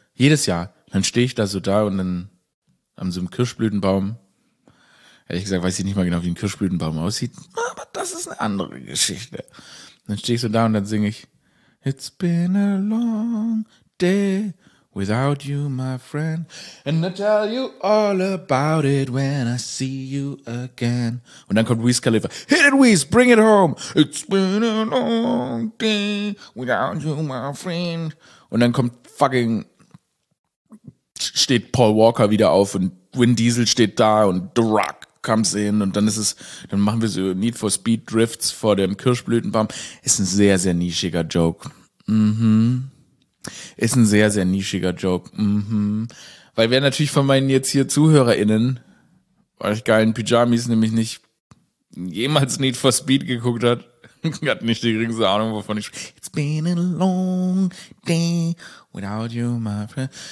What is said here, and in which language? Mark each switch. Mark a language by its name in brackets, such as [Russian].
[German] Jedes Jahr, dann stehe ich da so da und dann an so einem Kirschblütenbaum. Ehrlich gesagt, weiß ich nicht mal genau, wie ein Kirschblütenbaum aussieht. Aber das ist eine andere Geschichte. Dann stehe ich so da und dann singe ich [English] It's been a long day without you, my friend. And I tell you all about it when I see you again. [German] Und dann kommt Wiz Khalifa. [English] Hit it, Wiz, bring it home. It's been a long day without you, my friend. [German] Und dann kommt fucking... steht Paul Walker wieder auf und Vin Diesel steht da und The Rock. Sehen und dann machen wir so Need for Speed Drifts vor dem Kirschblütenbaum. Ist ein sehr, sehr nischiger Joke. Ist ein sehr, sehr nischiger Joke. Weil wer natürlich von meinen jetzt hier ZuhörerInnen, euch geilen Pyjamis, nämlich nicht jemals Need for Speed geguckt hat, hat nicht die geringste Ahnung, wovon ich spreche. [English] It's been a long day without you, my friend.